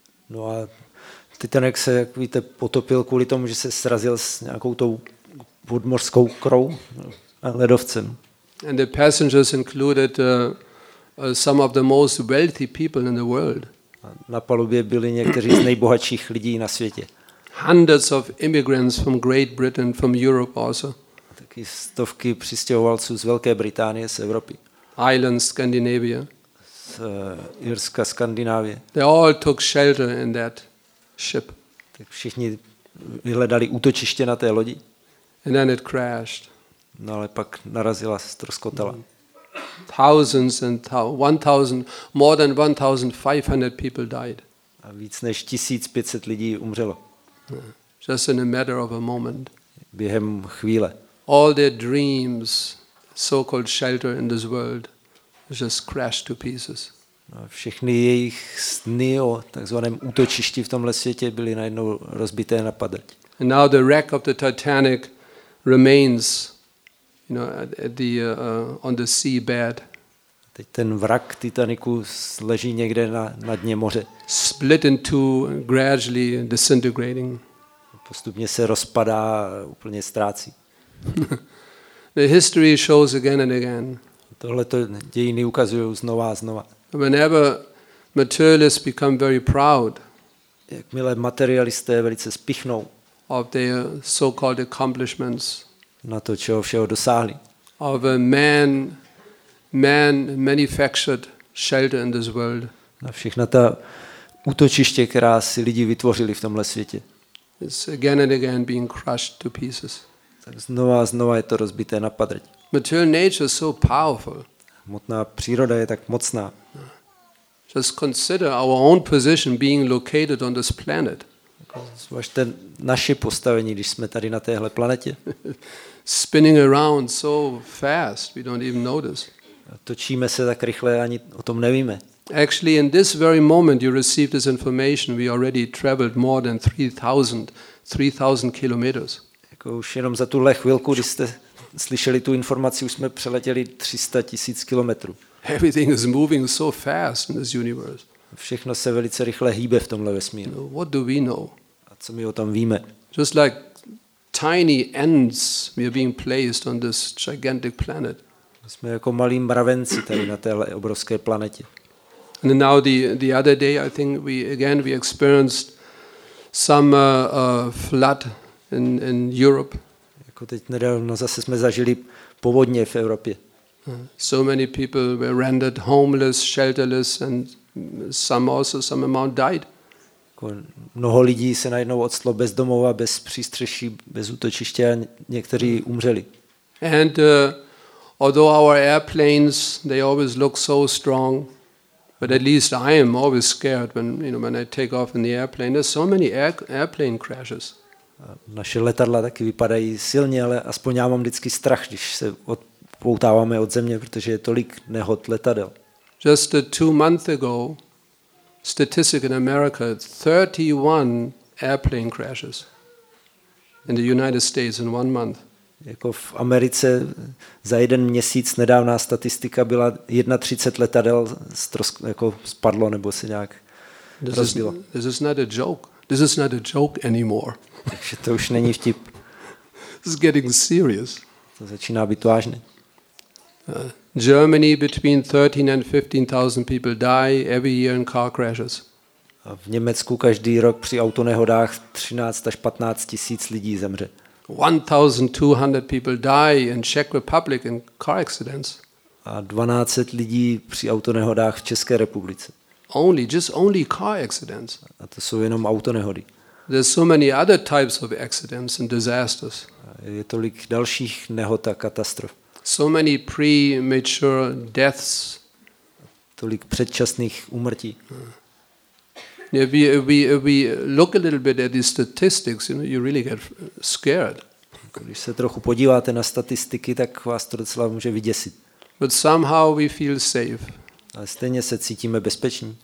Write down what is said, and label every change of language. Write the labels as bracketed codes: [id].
[cs] No a Titanic se, jak víte, potopil kvůli tomu, že se srazil s nějakou tou podmořskou krou a ledovcem. [en] And the passengers included some of the most wealthy people in the world. [cs] Na palubě byli někteří z nejbohatších lidí na světě. [en] Hundreds of immigrants from Great Britain, from Europe also. [cs] Taky stovky přistěhovalců z Velké Británie, z Evropy. [en] Island, Scandinavia. [cs] Z Irska, Skandinávie. [en] They all took shelter in that ship. [cs] Tak všichni vyhledali útočiště na té lodi. [en] And then it crashed. [cs] No ale pak narazila, ztroskotala. [en] Thousands and more than 1,500 people died. [cs] A víc než 1,500 lidí umřelo. [en] Just in a matter of a moment. [cs] Během chvíle. [en] All their dreams, so-called shelter in this world, just crashed to pieces. [cs] A všechny jejich sny o takzvaném útočišti v tomhle světě byly najednou rozbité na padrť. [en] And now the wreck of the Titanic remains, you know, on the seabed. [cs] Teď ten vrak Titaniku leží někde na dně moře. [en] Split into gradually disintegrating. [cs] Postupně se rozpadá, úplně ztrácí. [en] The history shows again and again. [cs] Tohle to dějiny ukazují znova a znova. [en] Whenever materialists become very proud. [cs] Jakmile materialisté velice spichnou. [en] Of their so-called accomplishments. [cs] Na to, čeho všeho dosáhli. [en] Of a man manufactured shelter in this world. [cs] Na všechna ta útočiště, která si lidi vytvořili v tomhle světě. [en] It's again and again being crushed to pieces. [cs] Tak znova a znova je to rozbité na padrť. [en] Material nature is so powerful. [cs] Hmotná příroda je tak mocná. [en] Just consider our own position being located on this planet. [cs] Zvažte naše postavení, když jsme tady na téhle planetě. [en] Spinning around so fast, we don't even notice. [cs] Točíme se tak rychle, ani o tom nevíme. [en] Actually, in this very moment you received this information, we already traveled more than 3,000 kilometers. [cs] Jako už jenom za tuhle chvilku, když jste slyšeli tu informaci, už jsme přeletěli 300 000 kilometrů. [en] Everything is moving so fast in this universe. [cs] Všechno se velice rychle hýbe v tomhle vesmíru. No, [en] what do we know? [cs] A co my o tom víme? [en] Just like tiny ants, we are being placed on this gigantic planet. [cs] Jsme jako malí mravenci tady na téhle obrovské planetě. [en] And now the other day, I think we experienced some flood in Europe. [cs] Jako teď nedávno zase jsme zažili povodně v Evropě. [en] So many people were rendered homeless, shelterless, and some amount died. [cs] Mnoho lidí se najednou ocitlo bez domova, bez přístřeší, bez útočiště a někteří umřeli. [en] And although our airplanes, they always look so strong, but at least I am always scared when I take off in the airplane. There's so many airplane crashes. [cs] Naše letadla taky vypadají silně, ale aspoň já mám vždycky strach, když se odpoutáváme od země, protože je tolik nehod letadel. [en] Just 2 months ago, statistic in America, 31 airplane crashes in the United States in 1 month. [cs] Jako v Americe za jeden měsíc nedávná statistika byla 31 letadel spadlo nebo se nějak rozbilo. [en] This is not a joke. This is not a joke anymore. [cs] Takže to už není vtip. [en] It's getting serious. [cs] To začíná být vážné. [en] Germany between 13 and 15,000 people die every year in car crashes. [cs] A v Německu každý rok při autonehodách 13 až 15 tisíc lidí zemře. [en] 1,200 people die in Czech Republic in car accidents. [cs] A 1200 lidí při autonehodách v České republice. [en] Only car accidents. [cs] A to jsou jenom autonehody. [en] There's so many other types of accidents and disasters. [cs] Je tolik dalších nehod a katastrof. [en] So many premature deaths. [cs] Tolik předčasných úmrtí. [en] Yeah, we look a little bit at the statistics, you really get scared. [cs] Když se trochu podíváte na statistiky, tak vás to docela může vyděsit. [en] But somehow we feel safe. [cs] Ale stejně se cítíme bezpeční.